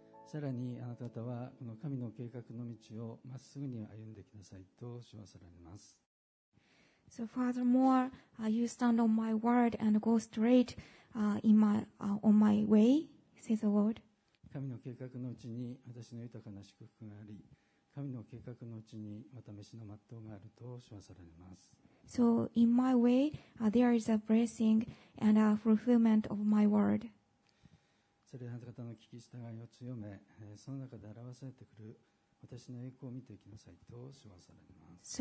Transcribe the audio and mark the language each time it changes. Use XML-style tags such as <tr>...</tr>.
<ja>さらにあなた方はこの神の計画の道をまっすぐに歩んでくださいと示されます。</ja> <en>So furthermore, you stand on my word and go straight on my way, says the Lord.</en> <ja>神の計画のうちに私の豊かな祝福があり、神の計画のうちにまた召しの全うがあると称されます。</ja> <en>So in my way, there is a blessing and a fulfillment of my word.</en> <ja>それであなた方の聞き従いを強め、その中で表されてくる私の栄光を見ていきなさいと称されます。</ja>